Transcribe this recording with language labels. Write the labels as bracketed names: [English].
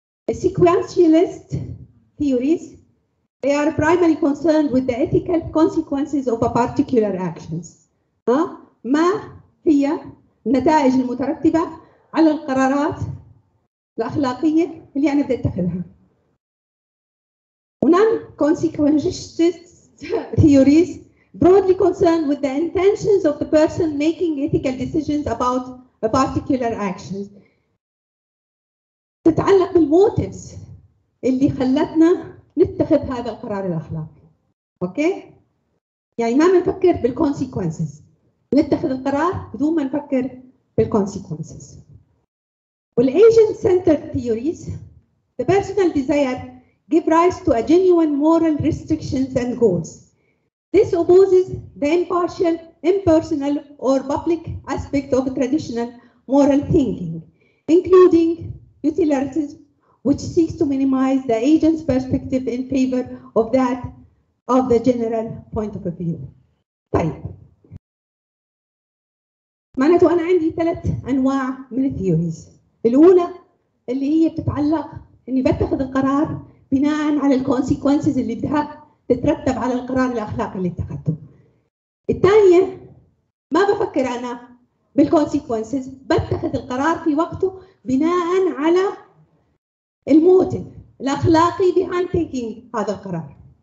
[English] السيكوينشياليست theories they are primarily concerned with the ethical consequences of a particular actions. [Arabic] ما هي النتائج المترتبة على القرارات الأخلاقية اللي أنا بدي أتخذها. [English] Non-consequentialist theories broadly concerned with the intentions of the person making ethical decisions about a particular action. [Arabic] تتعلق بالموتيفز اللي خلتنا نتخذ هذا القرار الأخلاقي. أوكي؟ يعني ما منفكر بالconsequences. نتخذ القرار بدون ما نفكر بالconsequences. [English] والagent-centered theories, the personal desire give rise to a genuine moral restrictions and goals. This opposes the impartial, impersonal, or public aspect of traditional moral thinking, including utilitarianism, which seeks to minimize the agent's perspective in favor of that of the general point of view. [Arabic] طيب. معناته أنا عندي ثلاث أنواع من الثيوريز. الأولى اللي هي بتتعلق إني بتخذ القرار بناء على الconsequences اللي بدها تترتب على القرار الأخلاقي اللي اتخذته. الثانية ما بفكر أنا بالconsequences، بتخذ القرار في وقته بناء على الموتيف الأخلاقي [English] behind taking [Arabic] هذا القرار.